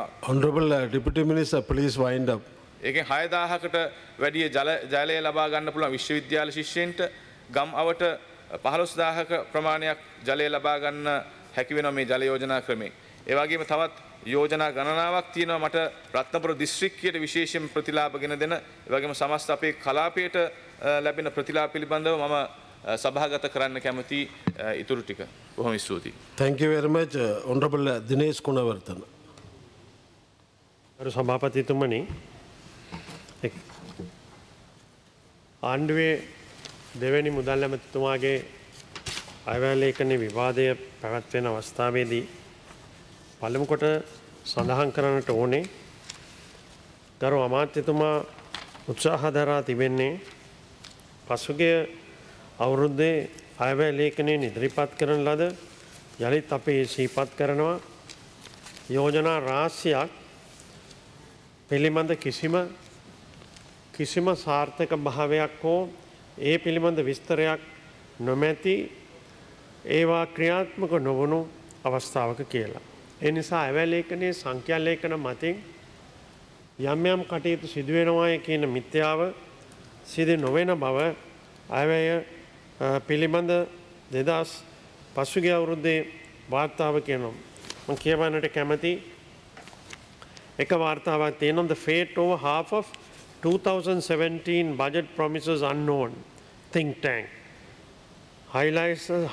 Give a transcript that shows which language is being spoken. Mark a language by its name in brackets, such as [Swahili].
[English] Honorable Deputy Minister please wind up. [Sinhala] ඒකෙන් 6000කට වැඩිය ජලය ලබා ගන්න පුළුවන් විශ්වවිද්‍යාල ශිෂ්‍යයන්ට, ගම්වට 15000ක ප්‍රමාණයක් ජලය ලබා ගන්න හැකි වෙනවා මේ ජල යෝජනා ක්‍රමේ. එවාගේම තවත් යෝජනා ගණනාවක් තියෙනවා මට රත්නපුර දිස්ත්‍රික්කයට විශේෂයෙන් ප්‍රතිලාභ ගෙන දෙන එවාගේම සමස්ත අපේ කලාපයට ලැබෙන ප්‍රතිලාභ පිළිබඳව මම සභාගත කරන්න කැමති ඉතුරු ටික බොහොම ස්තුතියි [English] Thank you very much honorable Dinesh Gunawardana [Sinhala] අර සභාපතිතුමනි ආණ්ඩුවේ දෙවැනි මුදල් ඇමතිතුමාගේ අයවැලේකන විවාදය පැවැත්වෙන අවස්ථාවේදී පළමුකොට සඳහන් කරන්නට ඕනේ ගරු අමාත්‍යතුමා උත්සාහ දරා තිබෙන්නේ පසුගිය අවුරුද්දේ අයවැලේකනේ ඉදිරිපත් කරන ලද යළිත් අපේ සිහිපත් කරනවා යෝජනා රාශියක් පිළිබඳ කිසිම සාර්ථක භාවයක් හෝ ඒ පිළිබඳ විස්තරයක් නොමැති ඒවා ක්‍රියාත්මක නොවුණු අවස්ථාවක කියලා. ඒ නිසා අවලේඛනයේ සංඛ්‍යා ලේඛන මතින් යම් යම් කටයුතු සිදු වෙනවායි කියන මිත්‍යාව සිදු නොවන බව අයවැය පිළිබඳ 2000 පසුගිය අවුරුද්දේ වාර්තාවකේ නම් මම කියවන්නට කැමති එක වාර්තාවක් තියෙනවා [English] the fate over half of 2017 budget promises unknown think tank highlights